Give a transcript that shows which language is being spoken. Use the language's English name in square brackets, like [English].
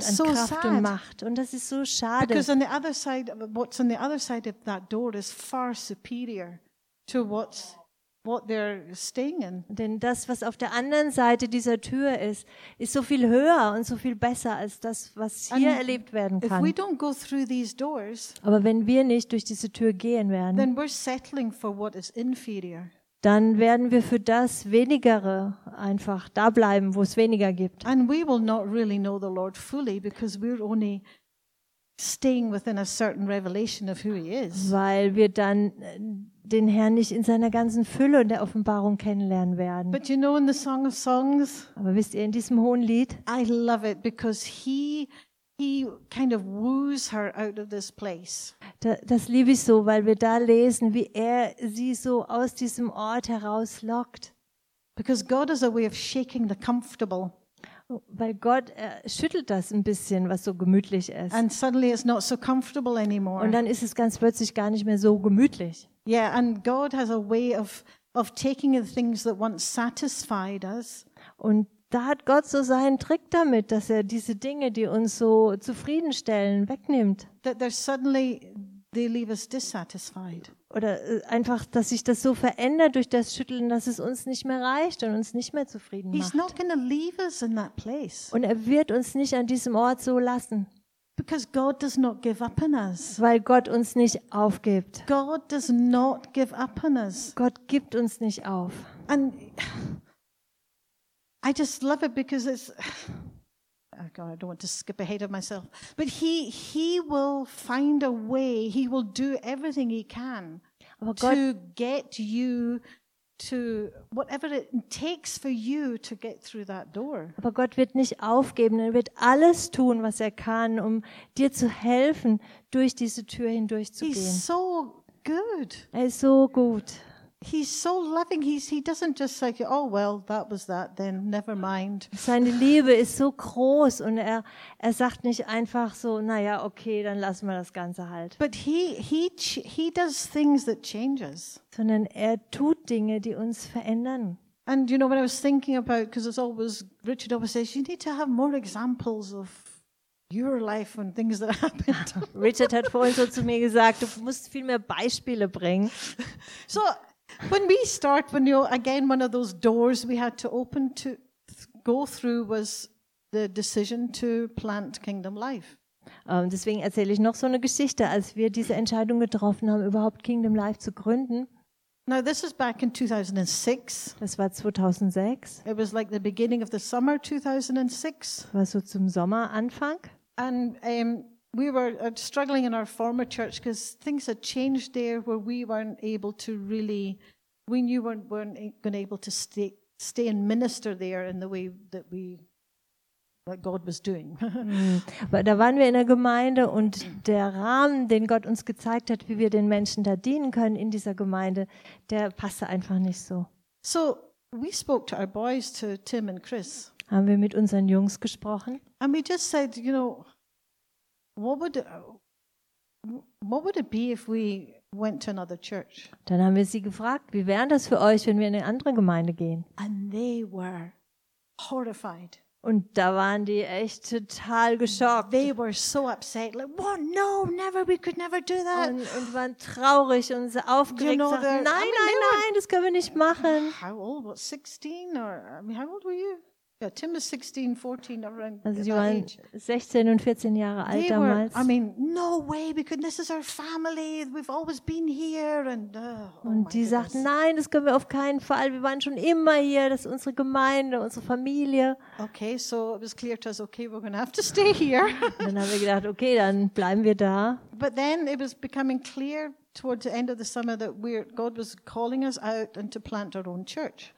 [English] so [German] Kraft [English] sad. [German] Und Macht. Und das ist so schade. [English] Because on the other side, what's on the other side of that door is far superior to what they're staying in. [German] Denn das, was auf der anderen Seite dieser Tür ist, ist so viel höher und so viel besser als das, was hier [English] and [German] erlebt werden kann. [English] If we don't go through these doors, [German] aber wenn wir nicht durch diese Tür gehen werden, [English] then we're settling for what is inferior. [German] Dann werden wir für das Wenigere einfach da bleiben, wo es weniger gibt. [English] And we will not really know the Lord fully because we're only staying within a certain revelation of who he is. [German] Weil wir dann den Herrn nicht in seiner ganzen Fülle und der Offenbarung kennenlernen werden. [English] But you know in the Song of Songs, [German] aber wisst ihr, in diesem hohen Lied, [English] I love it because he kind of woos her out of this place. [German] Das liebe ich so, weil wir da lesen, wie er sie so aus diesem Ort heraus lockt. [English] Because God is a way of shaking the comfortable. [German] Weil Gott schüttelt das ein bisschen, was so gemütlich ist. [English] And suddenly it's not so comfortable anymore. [German] Und dann ist es ganz plötzlich gar nicht mehr so gemütlich. [English] Yeah, and God has a way of taking the things that once satisfied us. [German] Und da hat Gott so seinen Trick damit, dass er diese Dinge, die uns so zufriedenstellen, wegnimmt. [English] That they're suddenly they leave us dissatisfied. [German] Oder einfach, dass sich das so verändert durch das Schütteln, dass es uns nicht mehr reicht und uns nicht mehr zufrieden macht. [English] He's not gonna leave us in that place. [German] Und er wird uns nicht an diesem Ort so lassen. [English] Because God does not give up on us. [German] Weil Gott uns nicht aufgibt. [English] God does not give up on us. [German] Gott gibt uns nicht auf. [English] And I just love it because it's... Oh God, I don't want to skip ahead of myself. But he will find a way, he will do everything he can [German] Aber Gott, [English] to get you to whatever it takes for you to get through that door. [German] Aber Gott wird nicht aufgeben, er wird alles tun, was er kann, um dir zu helfen, durch diese Tür hindurchzugehen. [English] He's so good. [German] Er ist so gut. [English] He's so loving. He doesn't just say, oh well, that was that then, never mind. [German] Seine Liebe ist so groß und er sagt nicht einfach so, na ja, okay, dann lassen wir das Ganze halt. [English] But he does things that change us. [German] Sondern er tut Dinge, die uns verändern. [English] And you know, when I was thinking about, because it's always, Richard always says, you need to have more examples of your life and things that happened. [German] Richard hat vorhin so zu mir gesagt, du musst viel mehr Beispiele bringen. [English] So, when we start, when you again, one of those doors we had to open to go through was the decision to plant Kingdom Life. [German] Deswegen erzähle ich noch so eine Geschichte, als wir diese Entscheidung getroffen haben, überhaupt Kingdom Life zu gründen. [English] Now this is back in 2006. [German] Das war 2006. [English] It was like the beginning of the summer 2006. [German] War so zum Sommeranfang. [English] And we were struggling in our former church because things had changed there where we weren't able to really, we knew weren't going to able to stay and minister there in the way that we, that God was doing. [German] Weil da waren wir in der Gemeinde und der Rahmen, den Gott uns gezeigt hat, wie wir den Menschen da dienen können in dieser Gemeinde, der passte einfach nicht so. [English] So we spoke to our boys, to Tim and Chris. [German] Haben wir mit unseren Jungs gesprochen. [English] And we just said, you know, What would it be if we went to another church? [German] Dann haben wir sie gefragt, wie wäre das für euch, wenn wir in eine andere Gemeinde gehen? [English] And they were horrified. [German] Und da waren die echt total geschockt. [English] They were so upset, like, what? No, never, we could never do that. [German] Und waren traurig und so aufgeregt, [English] you know, [German] sagten, nein, das können wir nicht machen. [English] How old? What, 16? Or, I mean, how old were you? Yeah, Tim was 16, 14, around [German] also sie waren 16 und 14 Jahre alt [English] they [German] damals. [English] Were, I mean, no way, because this is our family. We've always been here. And, [German] und oh die sagten, nein, das können wir auf keinen Fall. Wir waren schon immer hier. Das ist unsere Gemeinde, unsere Familie. [English] Okay, so it was clear to us, okay, we're going to have to stay here. [German] Dann haben wir gedacht, okay, dann bleiben wir da. [English] But then it was becoming clear towards the end of the summer that God was calling us out and to plant our own church.